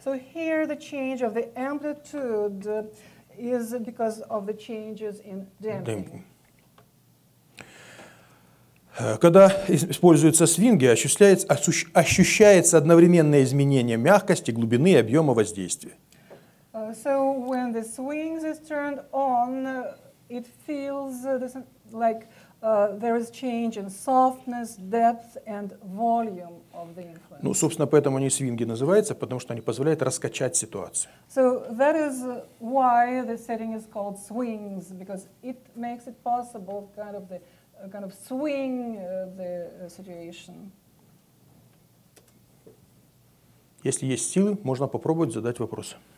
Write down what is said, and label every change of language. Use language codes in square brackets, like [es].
[en] So here the change of the amplitude is because of the changes in damping. [ru] Когда используются свинги, ощущается одновременное изменение мягкости, глубины и объема воздействия. [en] So when the swings is turned on, it feels like there is change in softness, depth, and volume of the influence. [ru] Ну, собственно, поэтому они свинги называются, потому что они позволяют раскачать ситуацию. [en] So that is why the setting is called swings, because it makes it possible kind of the kind of swing the situation. [ru] Если есть силы, можно попробовать задать вопросы.